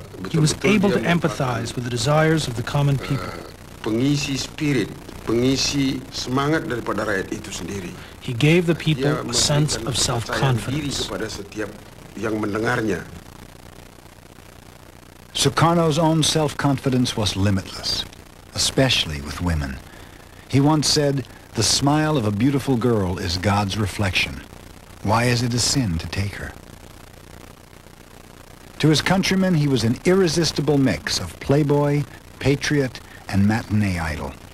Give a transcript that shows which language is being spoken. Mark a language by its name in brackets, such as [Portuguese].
[English] He was able to empathize with the desires of the common people. [Indonesian] Pengisi spirit, pengisi semangat daripada rakyat itu sendiri. [English] He gave the people a sense of self-confidence. [Indonesian] Kepada setiap yang mendengarnya. [English] Sukarno's own self-confidence was limitless, especially with women. He once said, "The smile of a beautiful girl is God's reflection. Why is it a sin to take her?" To his countrymen, he was an irresistible mix of playboy, patriot, and matinee idol.